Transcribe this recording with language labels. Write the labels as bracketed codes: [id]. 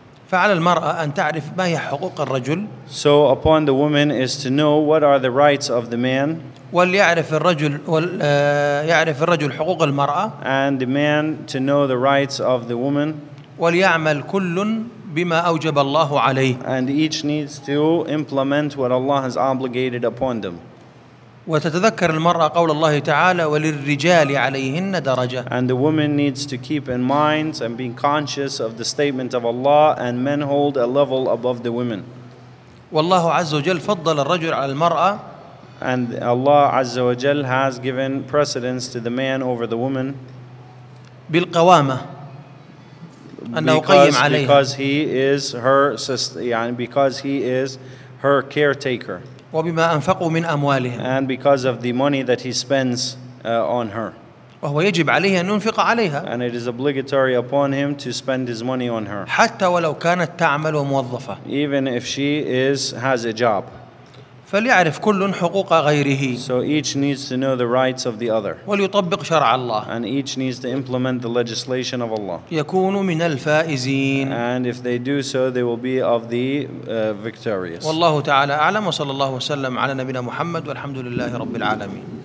[ar] فعلى المرأة أن تعرف ما هي حقوق الرجل. [en] So upon the woman is to know what are the rights of the man. [ar] وليعرف الرجل يعرف الرجل حقوق المرأة. [en] And the man to know the rights of the woman. [ar] وليعمل كل بما أوجب الله عليه. [en] And each needs to implement what Allah has obligated upon them. [ar] وتتذكر المرأة قول الله تعالى وللرجال عليهن درجة. [en] And the woman needs to keep in mind and being conscious of the statement of Allah, and men hold a level above the women. [ar] والله عز وجل فضل الرجل على المرأة. [en] And Allah [ar] عز وجل [en] has given precedence to the man over the woman. [ar] بالقوامة. [en] Because he is her sister, [ar] يعني [en] because he is her caretaker. [ar] وبما أنفقوا من أموالهم. [en] And because of the money that he spends on her. [ar] وهو يجب عليه أن ينفق عليها. [en] And it is obligatory upon him to spend his money on her. [ar] حتى ولو كانت تعمل وموظفة. [en] Even if she has a job. [ar] فليعرف كل حقوق غيره. [en] So each needs to know the rights of the other. [ar] وليطبق شرع الله. [en] And each needs to implement the legislation of Allah. [ar] يكون من الفائزين. [en] And if they do so, they will be of the victorious. [ar] والله تعالى أعلم، وصلى الله وسلم على نبينا محمد، والحمد لله رب العالمين.